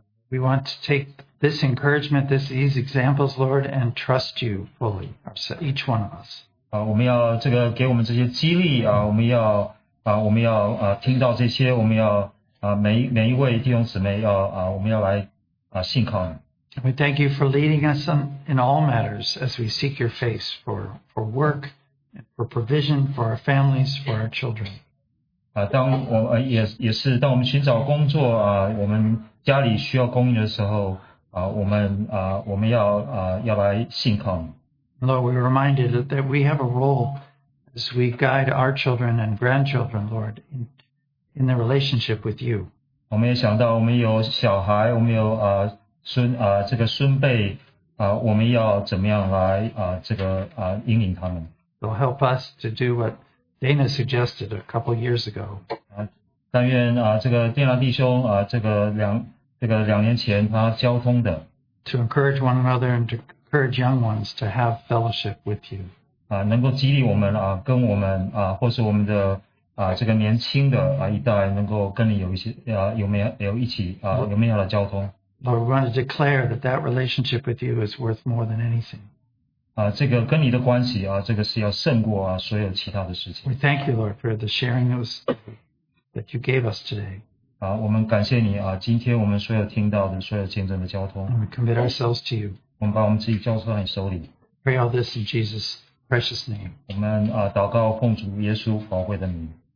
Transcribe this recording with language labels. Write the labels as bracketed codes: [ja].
[en] We want to take this encouragement, these examples, Lord, and trust you fully, each one of us. [zh] 我们要这个给我们这些激励我们要听到这些，我们要每一位弟兄姊妹要我们要来信靠你。 [en] We thank you for leading us in all matters as we seek your face for work, for provision, for our families, for our children. [zh] 当当我们寻找工作我们家里需要供应的时候我们要来信靠。 [en] Lord, we're reminded that we have a role as we guide our children and grandchildren, Lord, in the relationship with you. [zh] 我们也想到我们有小孩，我们有这个孙辈我们要怎么样来引领他们。 [en] So help us to do what Dana suggested a couple years ago. [zh] 但愿这个电拉弟兄两年前他交通的。 [en] To encourage one another and to encourage young ones to have fellowship with you. [zh] 能够激励我们跟我们或是我们的这个年轻的一代能够跟你有一些有一起有美好的交通。 [en] Lord, we want to declare that relationship with you is worth more than anything. [zh] 这个跟你的关系这个是要胜过所有其他的事情。 [en] We thank you, Lord, for the sharing that you gave us today. [zh] 我们感谢你啊，今天我们所有听到的所有见证的交通。 [en] We commit ourselves to you. [zh] 我们把我们自己交托在你手里。 [en] Pray all this in Jesus' precious name. [zh] 我们祷告奉主耶稣宝贵的名。